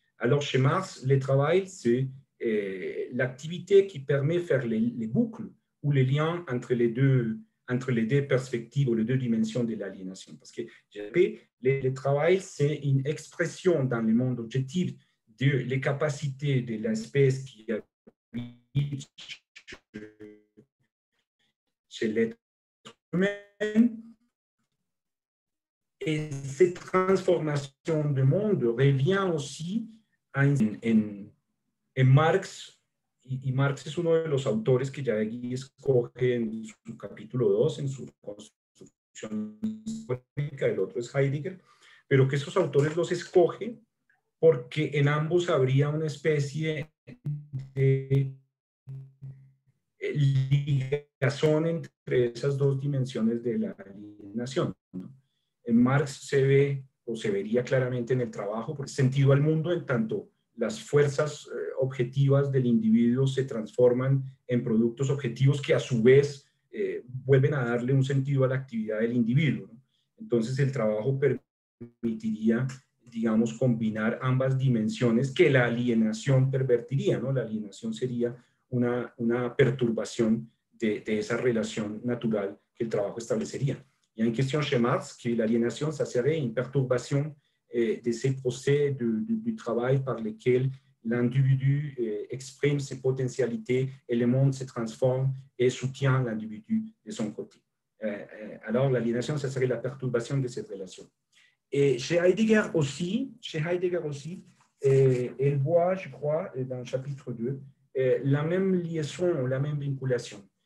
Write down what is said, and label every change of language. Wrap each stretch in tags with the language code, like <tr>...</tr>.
<fr>Alors, chez Marx, le travail, c'est l'activité qui permet de faire les boucles ou les liens entre les deux perspectives ou les deux dimensions de l'aliénation. Parce que le travail, c'est une expression dans le monde objectif de les capacités de l'espèce qui habite chez l'être humain. Et cette transformation du monde revient aussi en Marx,</fr> <es>y Marx es uno de los autores que Jaegi escoge en su capítulo 2, en su construcción histórica, el otro es Heidegger, pero que esos autores los escoge porque en ambos habría una especie de ligazón entre esas dos dimensiones de la alienación, ¿no? En Marx se ve o se vería claramente en el trabajo, por sentido al mundo en tanto las fuerzas objetivas del individuo se transforman en productos objetivos que a su vez vuelven a darle un sentido a la actividad del individuo, ¿no? Entonces el trabajo permitiría, digamos, combinar ambas dimensiones que la alienación pervertiría, ¿no? La alienación sería una perturbación de esa relación natural que el trabajo establecería. Y hay cuestión</es> <fr>chez Marx</fr> <es>que la alienación se hace en perturbación</es> <fr>de ces procès du travail par lesquels l'individu exprime ses potentialités et le monde se transforme et soutient l'individu de son côté. Alors l'aliénation, ça serait la perturbation de cette relation. Et chez Heidegger aussi, elle voit, je crois, dans le chapitre 2, la même liaison, la même vinculation.</fr>